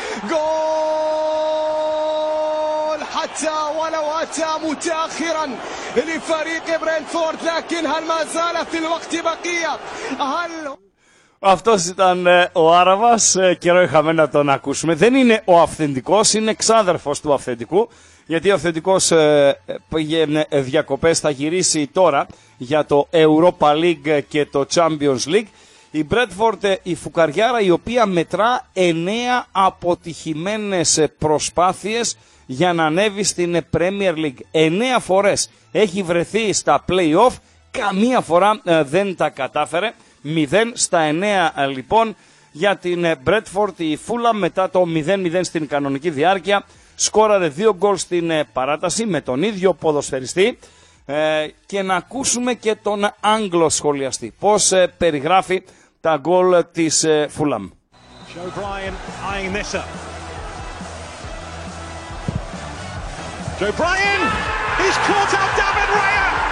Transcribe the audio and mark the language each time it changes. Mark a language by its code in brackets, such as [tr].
[ar] جول حتى ولو أتى متأخرا لفريق برينفورد لكن هل ما زال في الوقت بقية هل [el] Αυτός ήταν ο Άραβας, καιρό είχαμε να τον ακούσουμε. Δεν είναι ο αυθεντικός, είναι ξάδερφος του αυθεντικού, γιατί ο αυθεντικός πήγε διακοπές, θα γυρίσει τώρα για το Europa League και το Champions League. Η Brentford, η φουκαριάρα, η οποία μετρά 9 αποτυχημένες προσπάθειες για να ανέβει στην Premier League. 9 φορές έχει βρεθεί στα play-off, καμία φορά δεν τα κατάφερε. 0 στα 9 λοιπόν για την Brentford. Η Fulham μετά το 0-0 στην κανονική διάρκεια σκόραρε 2 γκολ στην παράταση με τον ίδιο ποδοσφαιριστή. Και να ακούσουμε και τον Άγγλο σχολιαστή πώς περιγράφει τα γκολ της Fulham. [en] Joe Bryan, he's caught up David Raya.